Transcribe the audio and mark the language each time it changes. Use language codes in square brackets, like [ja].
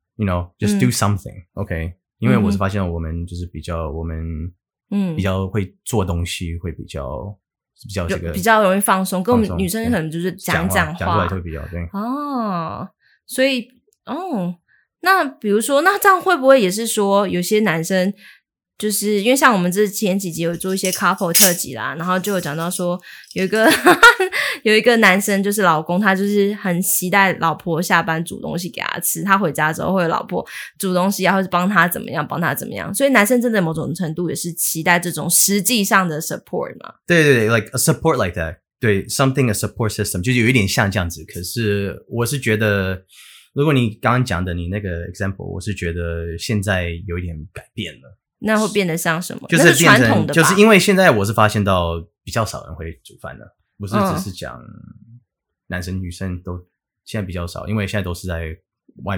[en] You know, just do something,、嗯、okay? [zh] 因为我是发现我们就是比较、嗯、我们比较会做东西，会比较这个比较容易放松，跟我们女生可能就是讲讲话，讲出来会比较对。哦，所以哦，那比如说，那这样会不会也是说有些男生？就是因为像我们这前几集有做一些 couple 特辑啦，然后就有讲到说有一个男生，就是老公他就是很期待老婆下班煮东西给他吃，他回家之后会有老婆煮东西啊，或是帮他怎么样帮他怎么样，所以男生真的某种程度也是期待这种实际上的 support 嘛。对对对， like a support like that，对， something a support system，就是有一点像这样子。可是我是觉得如果你刚刚讲的你那个 example， 我是觉得现在有一点改变了。那会变得像什么？就是变成传统的，就是因为现在我是发现到比较少人会煮饭了，不是只是讲男生、嗯、女生都现在比较少，因为现在都是在外面